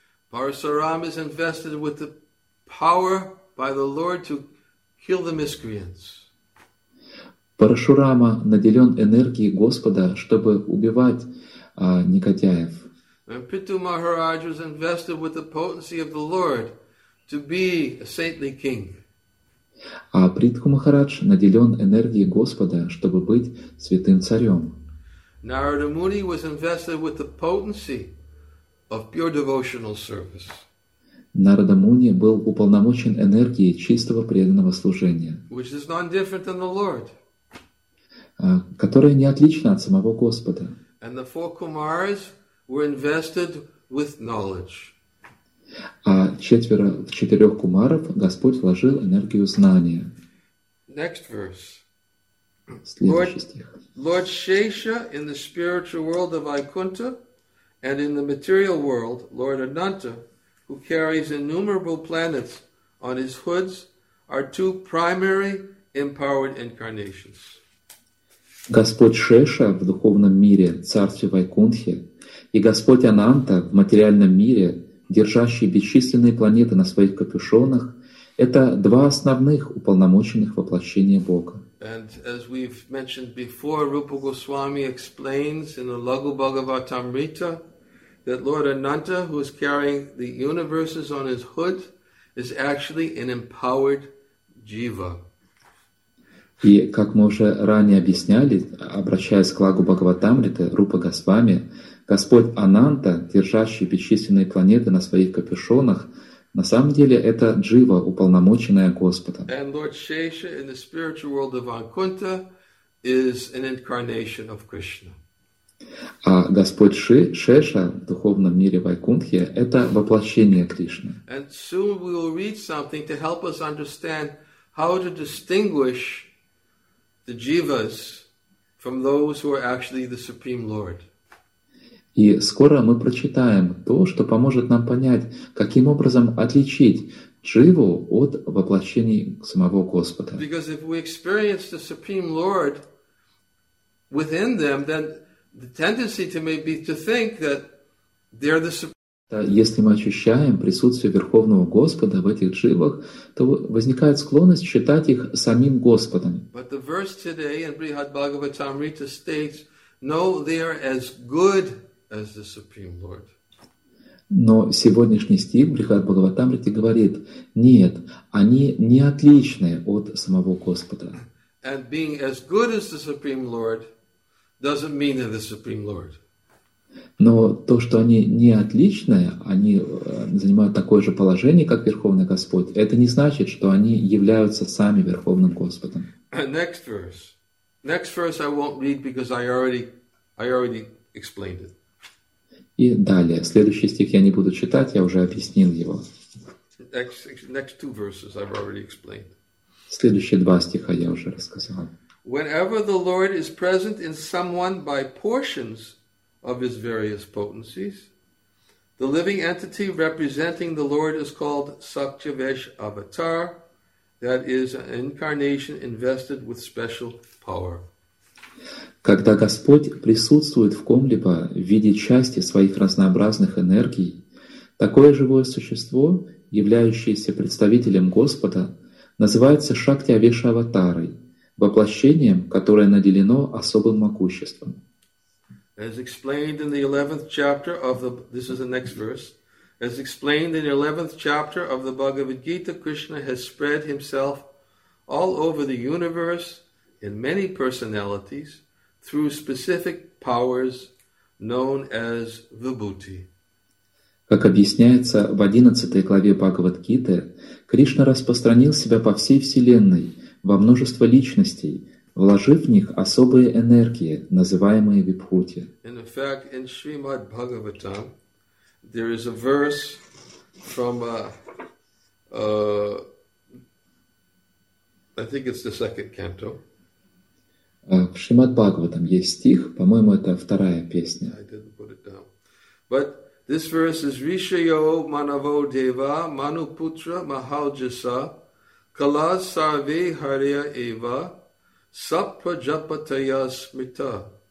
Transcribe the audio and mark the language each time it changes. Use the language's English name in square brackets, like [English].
[English] Парасарам is invested with the power by the Lord to kill the miscreants. [Russian] Парашурама наделен энергией Господа, чтобы убивать негодяев. [English] And Притu Maharaj was invested with the potency of the Lord to be a saintly king. [Russian] А Притху Махарадж наделен энергией Господа, чтобы быть святым царем. [English] Narada Muni was invested with the potency of pure devotional service. [Russian] Нарада Муни был уполномочен энергией чистого преданного служения, [English] which is not different than the Lord, [Russian] которая не отлична от самого Господа. [English] And the four kumaras were invested with knowledge. [Russian] А четверо, в четырех кумаров Господь вложил энергию знания. [English] Next verse. [Russian] Следующий стих. [English] Lord Shesha in the spiritual world of Vaikuntha and in the material world, Lord Ananta, who carries innumerable planets on his hoods, are two primary empowered incarnations. [Russian] Господь Шеша в духовном мире, царстве Вайкунтхе, и Господь Ананта в материальном мире, держащий бесчисленные планеты на своих капюшонах, это два основных уполномоченных воплощения Бога. [English] And as we've mentioned before, Rupa Goswami explains in the Laghu Bhagavatamrita that Lord Ananta, who is carrying the universes on his hood, is actually an empowered jiva. [Russian] И как мы уже ранее объясняли, обращаясь к Лагу Бхагаватамрите, Рупа Госвами, Господь Ананта, держащий бесчисленные планеты на своих капюшонах, на самом деле это джива, уполномоченная Господом. [English] And Lord Shesha in the spiritual world of Vaikuntha is an incarnation of Krishna. [Russian] А Господь Шеша в духовном мире Вайкунтхе – это воплощение Кришны. [English] And soon we will read something to help us understand how to distinguish the jivas from those who are actually the Supreme Lord. [Russian] И скоро мы прочитаем то, что поможет нам понять, каким образом отличить дживу от воплощений самого Господа. [English] Because if we experience the Supreme Lord within them, then the tendency to may be to think that they're the Supreme. [Russian] Если мы ощущаем присутствие Верховного Господа в этих дживах, то возникает склонность считать их самим Господом. Но сегодняшний стих Брихад-Бхагаватамрити говорит, нет, они не отличны от самого Господа. [English] And being as good as the Supreme Lord doesn't mean they're the Supreme Lord. [Russian] Но то, что они не отличные, они занимают такое же положение, как Верховный Господь, это не значит, что они являются сами Верховным Господом. [English] Next verse. Next verse I won't read, because I already explained it. [Russian] И далее. Следующий стих я не буду читать, я уже объяснил его. [English] Next two verses I've already explained. [Russian] Следующие два стиха я уже рассказал. [English] Whenever the Lord is present in someone by portions of his various potencies, the living entity representing the Lord is called Satyavesh Avatar, that is an incarnation invested with special power. [Russian] Когда Господь присутствует в ком-либо в виде части своих разнообразных энергий, такое живое существо, являющееся представителем Господа, называется Шактиавеша Аватарой, воплощением, которое наделено особым могуществом. [English] As explained in the 11th chapter of the, this is the next verse, as explained in the 11th chapter of the Bhagavad Gita, Krishna has spread himself all over the universe in many personalities through specific powers known as vibhuti. [Russian] Как объясняется в 11 главе Бхагавад Гиты, Кришна распространил себя по всей вселенной во множество личностей, вложив в них особые энергии, называемые випхути. [English] In fact, in Srimad Bhagavatam, there is a verse from, I think it's the second canto. [Russian] В Шримад Бхагаватам есть стих, по-моему, это вторая песня. [English] I didn't put it down. But this verse is [Sanskrit] Rishayo Manavo Deva Manuputra Mahaujasa Kala Sarve Harya Eva Saprajapataya Smita.